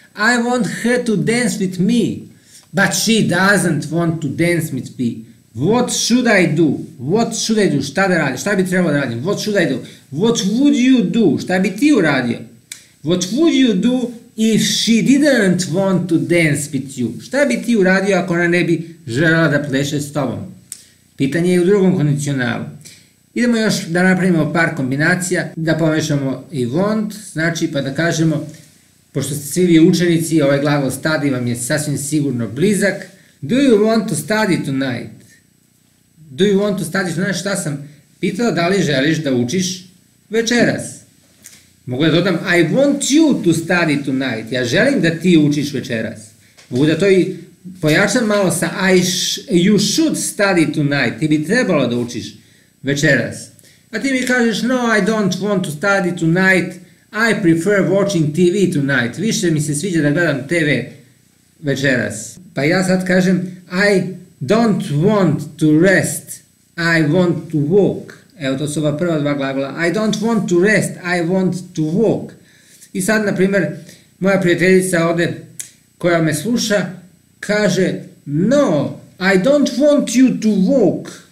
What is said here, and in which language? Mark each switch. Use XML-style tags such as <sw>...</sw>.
<en>I want her to dance with me. But she doesn't want to dance with me. What should I do? What should I do?</en> <sr>Šta da radim? Šta bi trebalo da radim?</sr> <en>What should I do? What would you do?</en> <sr>Šta bi ti uradio?</sr> <en>What would you do if she didn't want to dance with you?</en> <sr>Šta bi ti uradio ako ona ne bi želela da pleše s tobom? Pitanje je u drugom kondicionalu. Idemo još da napravimo par kombinacija, da pomešamo</sr> <en>i want,</en> <sr>znači pa da kažemo, pošto ste svi vi učenici, ovaj glagol study vam je sasvim sigurno blizak.</sr> <en>Do you want to study tonight? Do you want to study tonight?</en> <sr>Šta sam pitao, da li želiš da učiš večeras? Mogu da dodam,</sr> <en>I want you to study tonight.</en> <sr>Ja želim da ti učiš večeras. Mogu da to i pojačam malo sa</sr> <en>you should study tonight.</en> <sr>Ti bi trebalo da učiš večeras. A ti mi kažeš,</sr> <en>no, I don't want to study tonight. I prefer watching TV tonight.</en> <sr>Više mi se sviđa da gledam TV večeras. Pa ja sad kažem,</sr> <en>I don't want to rest. I want to walk.</en> <sr>Evo, to su ova prva dva glagola.</sr> <en>I don't want to rest. I want to walk.</en> <sr>I sad, na primjer, moja prijateljica ovde, koja me sluša, kaže,</sr> <en>no, I don't want you to walk.</en>